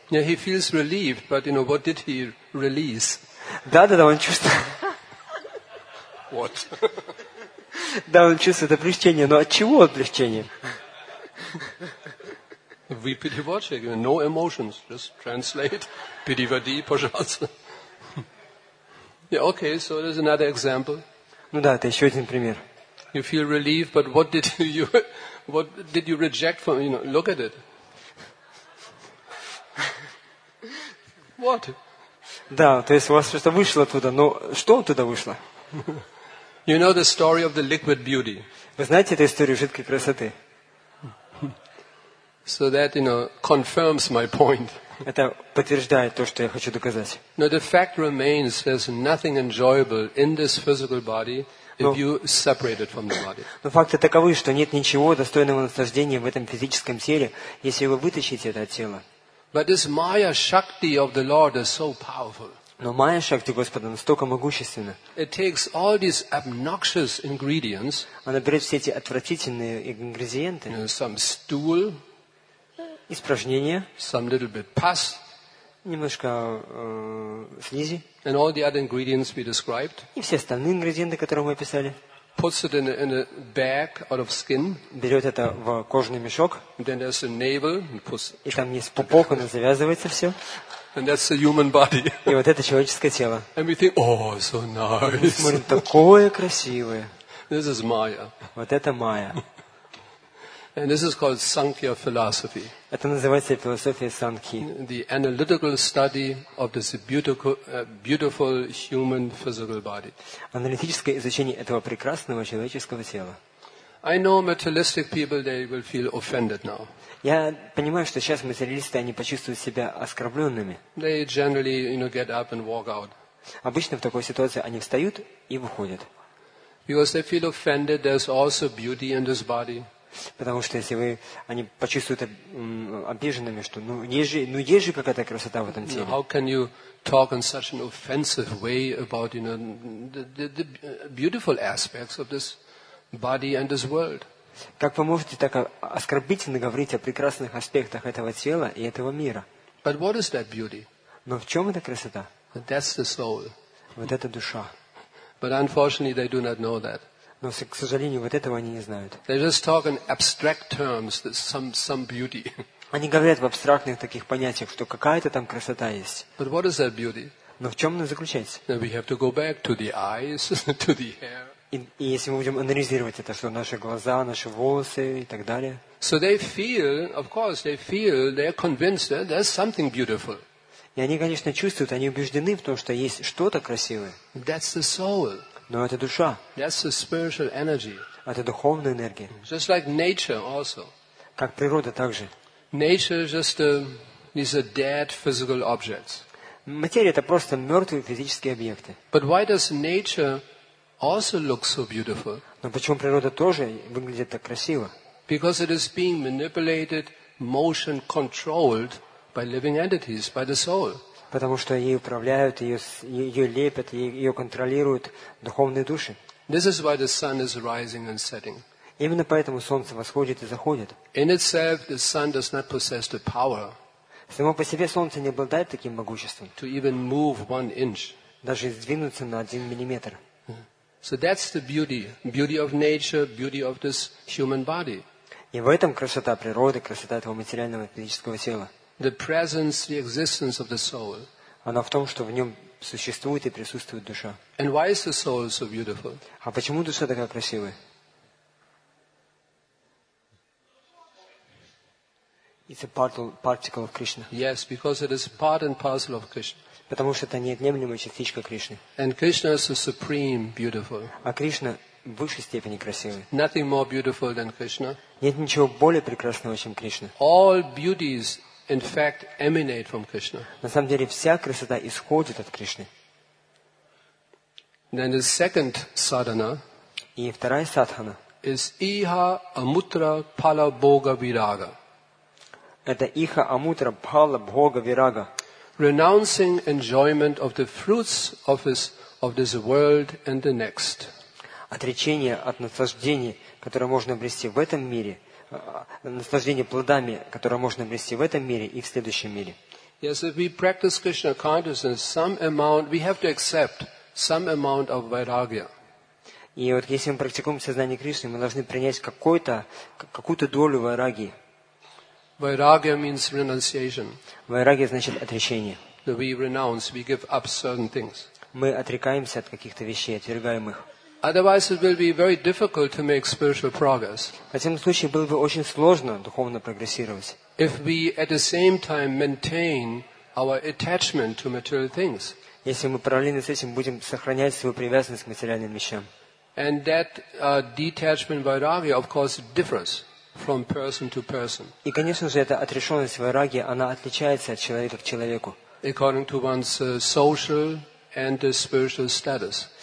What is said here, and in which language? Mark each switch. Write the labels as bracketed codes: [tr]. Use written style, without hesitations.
[en] Yeah, he feels relieved, but you know what did he release? [ru] Да, он чувствует. [en] What? [ru] Да, он чувствует облегчение, но от чего облегчение? [en] We pity watching, no emotions, just translate. Pity vadi, [ru] пожалуйста. [en] Yeah, okay, so there's another example. [ru] Ну да, это еще один пример. [en] You feel relief, but what did you reject from, you know, look at it. What? [ru] Да, то есть у вас что-то вышло оттуда, но что оттуда вышло? [en] You know the story of the liquid beauty. [ru] Вы знаете эту историю жидкой красоты? [en] So that, you know, confirms my point. [ru] Это подтверждает то, что я хочу доказать. [en] No, the fact remains there's nothing enjoyable in this physical body if you separate it from the body. [ru] Но факты таковы, что нет ничего достойного наслаждения в этом физическом теле, если вы вытащите это от тела. [en] But this Maya Shakti of the Lord is so powerful. [ru] Но Майя Шакти Господа настолько могущественна. [en] It takes all these obnoxious ingredients. [ru] Она берет все эти отвратительные ингредиенты. [en] You know, some stool. [ru] Испражнения, [en] some little bit pus, [ru] немножко слизи, [en] and all the other ingredients we described, [ru] и все остальные ингредиенты, которые мы описали, [en] puts it in a bag out of skin, [ru] берет это в кожный мешок, [en] then there's a navel, [ru] и там есть пупок, он завязывается все, [en] and that's the human body. [ru] И вот это человеческое тело. [en] And we think, oh, so nice. [ru] И мы смотрим, такое красивое. [en] This is Maya. [ru] Вот это Майя. [en] And this is called Sankhya philosophy. [ru] Это называется философия Санки. [en] The analytical study of this beautiful human physical body. [ru] Аналитическое изучение этого прекрасного человеческого тела. [en] I know materialistic people, they will feel offended now. [ru] Я понимаю, что сейчас материалисты, они почувствуют себя оскорбленными. [en] They generally, you know, get up and walk out. [ru] Обычно в такой ситуации они встают и выходят. [en] Because they feel offended, there's also beauty in this body. [ru] Потому что если вы, они почувствуют обиженными, что есть же какая-то красота в этом теле. [en] How can you talk in such an offensive way about, you know, the beautiful aspects of this body and this world? [ru] Как вы можете так оскорбительно говорить о прекрасных аспектах этого тела и этого мира? [en] But what is that beauty? [ru] Но в чем эта красота? [en] That's the soul. [ru] Вот это душа. [en] But unfortunately, they do not know that. [ru] Но, к сожалению, вот этого они не знают. [en] They just talk in abstract terms, some beauty. [ru] Они говорят в абстрактных таких понятиях, что какая-то там красота есть. [en] But what is that beauty? [ru] Но в чем она заключается? [en] We have to go back to the eyes, to the hair. [ru] И если мы будем анализировать это, что наши глаза, наши волосы и так далее. [en] So they feel, of course, they feel, they are convinced that there's something beautiful. [ru] И они, конечно, чувствуют, они убеждены в том, что есть что-то красивое. [en] That's the soul. [ru] Но это душа. [en] That's the spiritual energy. [ru] Это духовная энергия. [en] Just like nature also. [ru] Как природа также. [en] Nature just is a dead physical object. [ru] Материя — это просто мертвые физические объекты. [en] But why does nature also look so beautiful? [ru] Но почему природа тоже выглядит так красиво? [en] Because it is being manipulated, motion controlled by living entities, by the soul. [ru] Потому что ей управляют, ее лепят, ее контролируют духовные души. [en] This is why the sun is rising and setting. [ru] Именно поэтому солнце восходит и заходит. [en] In itself, the sun does not possess the power. [ru] Само по себе солнце не обладает таким могуществом. [en] To even move one inch. [ru] Даже сдвинуться на один миллиметр. [en] So that's the beauty, beauty of nature, beauty of this human body. [ru] И в этом красота природы, красота этого материального физического тела. [en] The presence, the existence of the soul. [ru] Она в том, что в нем существует и присутствует душа. [en] And why is the soul so beautiful? [ru] А почему душа такая красивая? [en] It's a particle of Krishna. Yes, because it is part and parcel of Krishna. [ru] Потому что это неотъемлемая частичка Кришны. [en] And Krishna is the supreme beautiful. [ru] А Кришна в высшей степени красивый. [en] Nothing more beautiful than Krishna. [ru] Нет ничего более прекрасного, чем Кришна. [en] All beauties, in fact, emanate from Krishna. [ru] На самом деле вся красота исходит от Кришны. [en] Then the second sadhana. [ru] И вторая садхана. [sa] Is iha amutra phala bhoga viraga. [ru] Это иха амутра пхала бхога вирага. [en] Renouncing enjoyment of the fruits of this world and the next. [ru] Отречение от наслаждений, которое можно обрести в этом мире, наслаждение плодами, которое можно обрести в этом мире и в следующем мире. [en] Yes, if we practice Krishna consciousness, some amount we have to accept some amount of vairagya. [ru] И вот если мы практикуем сознание Кришны, мы должны принять какую-то долю вайраги. [en] Vairagya means renunciation. [ru] Vairagya значит отречение. [en] That we renounce, we give up certain things. [ru] Мы отрекаемся от каких-то вещей, отвергаем их. [en] Otherwise, it will be very difficult to make spiritual progress. [ru] В этом случае было бы очень сложно духовно прогрессировать. [en] If we at the same time maintain our attachment to material things. [ru] Если мы параллельно с этим будем сохранять свою привязанность к материальным вещам. [en] And that detachment vairagya, of course, differs. From person to person. [ru] И, конечно же, эта отрешенность вайраги, она отличается от человека к человеку. [en] According to one's social and spiritual status.